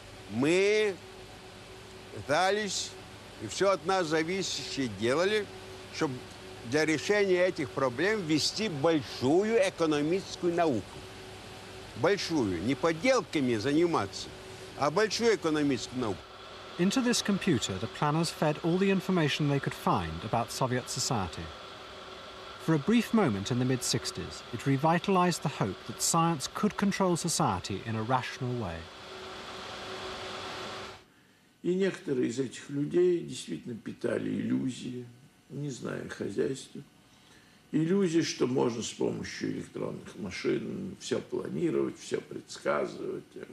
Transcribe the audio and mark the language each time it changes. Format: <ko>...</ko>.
<ru>Мы пытались, и все от нас зависящее делали, чтобы для решения этих проблем ввести большую экономическую науку. Большую. Не подделками заниматься, а большую экономическую науку.</ru> <en>Into this computer, the planners fed all the information they could find about Soviet society. For a brief moment in the mid-60s, it revitalized the hope that science could control society in a rational way.</en> <ru>И некоторые из этих людей действительно питали иллюзии, не зная хозяйства, иллюзии, что можно с помощью электронных машин все планировать, все предсказывать.</ru>